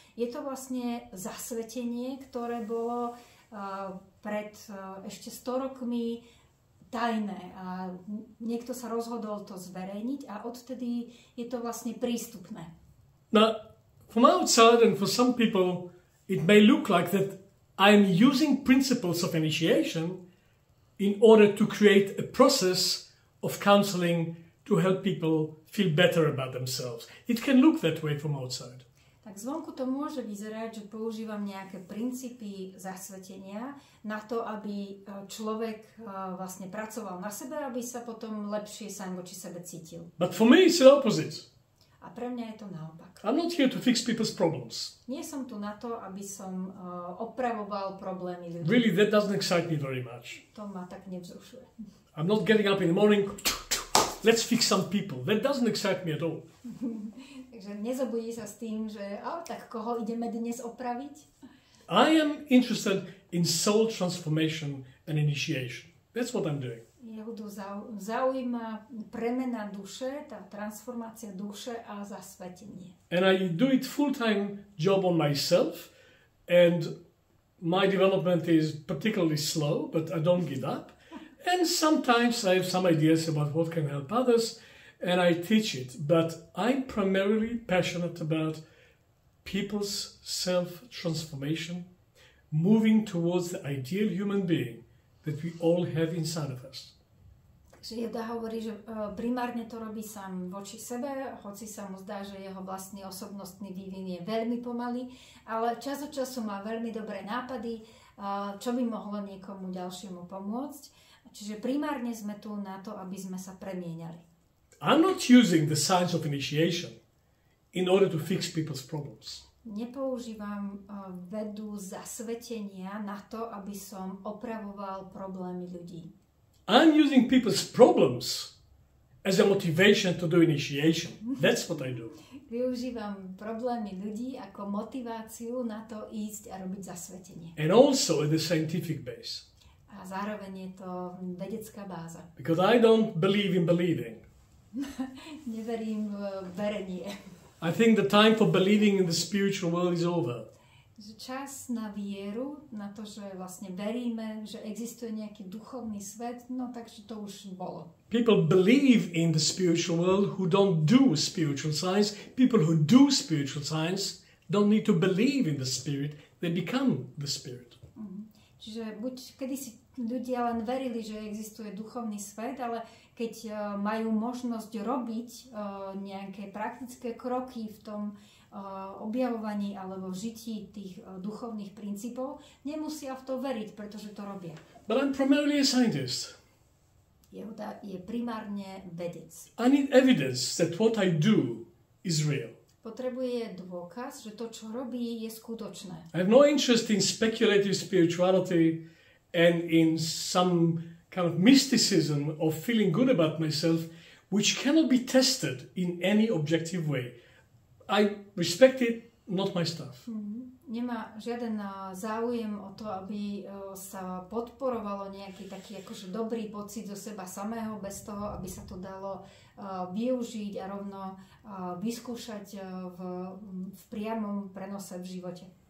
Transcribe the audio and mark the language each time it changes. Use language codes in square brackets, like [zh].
[sk] Je to vlastne zasvetenie, ktoré bolo pred ešte 100 rokmi tajné. A niekto sa rozhodol to zverejniť a odtedy je to vlastne prístupné. [en] Now, from outside and for some people, it may look like that I'm using principles of initiation in order to create a process of counseling to help people feel better about themselves. It can look that way from outside. [sk] Tak zvonku to môže vyzerať, že používam nejaké princípy zasvetenia na to, aby človek vlastne pracoval na sebe, aby sa potom lepšie sám voči sebe cítil. [en] But for me it's the opposite. [sk] A pre mňa je to naopak. [en] I'm not here to fix people's problems. [sk] Nie som tu na to, aby som opravoval problémy ľudí. [en] Really, that doesn't excite me very much. [sk] To ma tak nevzrušuje. [en] I'm not getting up in the morning, let's fix some people. That doesn't excite me at all. [sk] Takže nezobudí sa s tým, že tak koho ideme dnes opraviť? [en] I am interested in soul transformation and initiation. That's what I'm doing. [sk] Jehudu zaujíma premena duše, tá transformácia duše a zasvetenie. [en] And I do it full-time job on myself and my development is particularly slow, but I don't give up. And sometimes I have some ideas about what can help others and I teach it. But I'm primarily passionate about people's self-transformation, moving towards the ideal human being that we all have inside of us. [sk] Že Jehuda hovorí, že primárne to robí sám voči sebe, hoci sa mu zdá, že jeho vlastný osobnostný vývin je veľmi pomalý, ale čas od času má veľmi dobré nápady, čo by mohlo niekomu ďalšiemu pomôcť. Čiže primárne sme tu na to, aby sme sa premieniali. [en] I'm not using the science of initiation in order to fix people's problems. [sk] Nepoužívam vedu zasvetenia na to, aby som opravoval problémy ľudí. [en] I'm using people's problems as a motivation to do initiation. That's what I do. [sk] Využívam problémy ľudí ako motiváciu na to ísť a robiť zasvetenie. [en] And also the scientific base. [sk] A zároveň je to vedecká báza. [en] Because I don't believe in believing. [sk] Neverím v verenie. [en] I think the time for believing in the spiritual world is over. [sk] Čas na vieru, na to, že vlastne veríme, že existuje nejaký duchovný svet, no takže to už bolo. [en] People believe in the spiritual world who don't do spiritual science. People who do spiritual science don't need to believe in the spirit. They become the spirit. [sk] Čiže buď kedysi ľudia len verili, že existuje duchovný svet, ale keď majú možnosť robiť nejaké praktické kroky v tom objavovaní alebo žití tých duchovných princípov, nemusia v to veriť, pretože to robia. [en] But I'm primarily a scientist. [sk] Jehuda je primárne vedec. [en] I need evidence that what I do is real. [sk] Potrebuje dôkaz, že to, čo robí, je skutočné. [en] I have no interest in speculative spirituality and in some kind of mysticism of feeling good about myself, which cannot be tested in any objective way. I respect it, not my stuff. [sk] Nemá žiaden záujem o to, aby sa podporovalo nejaký taký akože dobrý pocit zo seba samého, bez toho, aby sa to dalo využiť a rovno vyskúšať v priamom prenose v živote.